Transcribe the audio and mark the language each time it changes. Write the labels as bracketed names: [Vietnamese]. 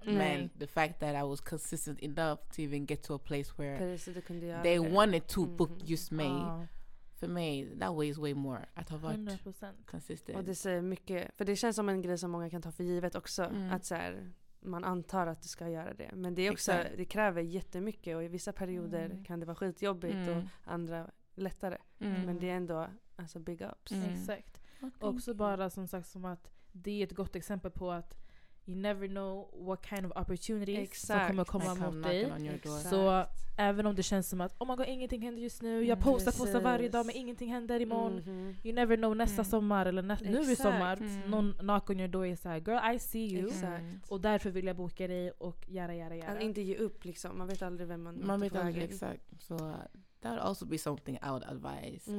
[English] Men the fact that I was consistent enough to even get to a place where they wanted to book just mig. [Swedish] För mig, [English] that weighs way more. [Swedish] Att ha varit 100% consistent. Och det säger mycket. För det känns som en grej som många kan ta för givet också. Att så här, man antar att du ska göra det. Men det är också, det kräver jättemycket. Och i vissa perioder kan det vara skitjobbigt och andra lättare. Men det är ändå alltså [English] big ups. [Swedish] Exakt. Och också bara som sagt som att det är ett gott exempel på att [English] you never know what kind of opportunities [Swedish] som kommer att komma mot dig. Så även om det känns som att [English] oh my god, [Swedish] ingenting händer just nu. Jag postar varje dag men ingenting händer imorgon. [English] You never know [Swedish] nästa sommar eller nu i sommar. Någon [English] knock on your door [Swedish] är såhär, [English] girl I see you. [Swedish] Och därför vill jag boka dig och göra. Att inte ge upp liksom. Man vet aldrig vem man vet aldrig. Exakt. [English] Så that would also be something I would advise.